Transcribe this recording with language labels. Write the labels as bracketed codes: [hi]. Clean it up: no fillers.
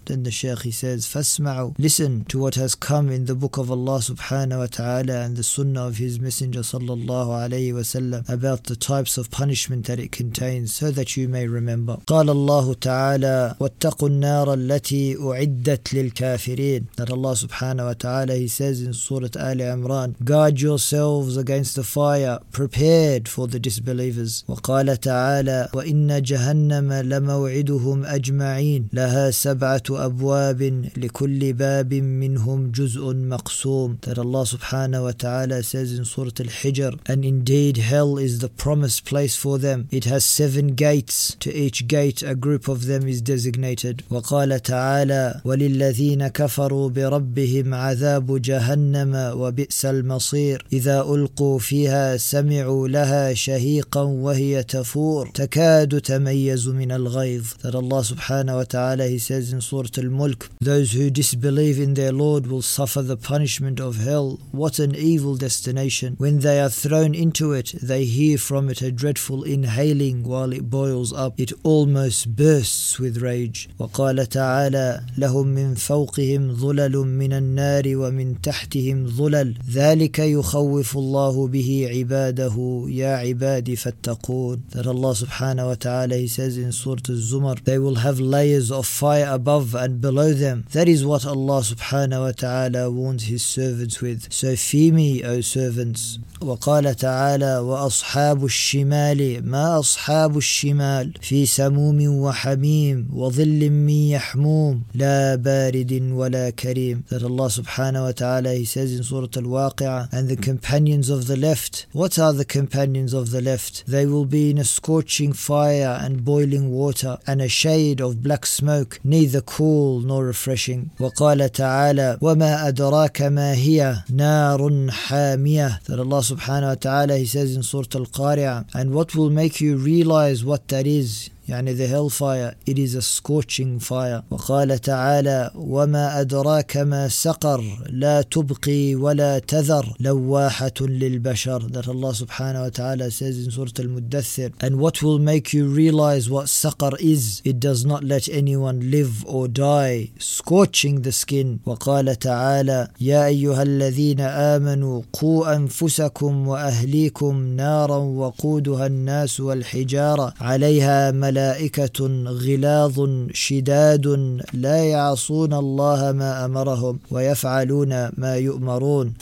[en] Then the Shaykh, he says, [ar] فَاسْمَعُوا, [en] listen to what has come in the book of Allah subhanahu wa ta'ala and the sunnah of his messenger sallallahu alayhi wa sallam about the types of punishment that it contains, so that you may remember. [ar] قَالَ اللَّهُ تَعَالَى وَاتَّقُوا النَّارَ الَّتِي أُعِدَّتْ لِلْكَافِرِينَ. [en] That Allah subhanahu wa ta'ala, he says in Surah Ali Imran, guard yourselves against the fire prepared for the disbelievers. [ar] وقال تعالى وإن جهنم لموعدهم أجمعين لها سبعة أبواب لكل باب منهم جزء مقسوم. [en] That Allah subhanahu wa ta'ala says in Surah Al-Hijr, and indeed hell is the promised place for them. It has seven gates. To each gate a group of them is designated. [ar] وقال تعالى وللذين كفروا بربهم عذاب جهنم وبئس المصير إذا ألقوا فيها سمعوا لها شهيقا وهي تفور تكاد تميز من الغيظ. [en] That Allah subhanahu wa ta'ala, he says in Surah Al-Mulk, those who disbelieve in their Lord will suffer the punishment of hell. What an evil destination. When they are thrown into it, they hear from it a dreadful inhaling while it boils up. It almost bursts with rage. [ar] وقال تعالى لهم من فوقهم ظلل من النار ومن تحت ظلل ذلك يخوف الله به عباده يا عبادي فاتقون. [en] That Allah subhanahu wa ta'ala, he says in Surah Al-Zumar, they will have layers of fire above and below them. That is what Allah subhanahu wa ta'ala warns his servants with. So fear me, O servants. [ar] وقال تعالى وأصحاب الشمال ما أصحاب الشمال في سموم وحميم وظل من يحموم لا بارد ولا كريم. [en] That Allah subhanahu wa ta'ala, he says in Surah Al-Waqi'ah, and the companions of the left, what are the companions of the left? They will be in a scorching fire and boiling water and a shade of black smoke, neither cool nor refreshing. [ar] وقال تعالى وما أدراك ما هي نار حامية. [en] That Allah subhanahu wa ta'ala, he says in Surah Al-Qari'ah, and what will make you realize what that is, يعني the hellfire, it is a scorching fire. [ar] وقال تعالى وما أدراك ما سقر لا تبقي ولا تذر لواحة للبشر. [en] That Allah subhanahu wa ta'ala says in Surah Al-Muddathir, and what will make you realize what سقر is, it does not let anyone live or die, scorching the skin. [ar] وقال تعالى يا أيها الذين آمنوا قوا أنفسكم وأهليكم نارا وقودها الناس والحجارة عليها ملائكة ملائكة غلاظ شداد لا يعصون الله ما أمرهم ويفعلون ما يؤمرون.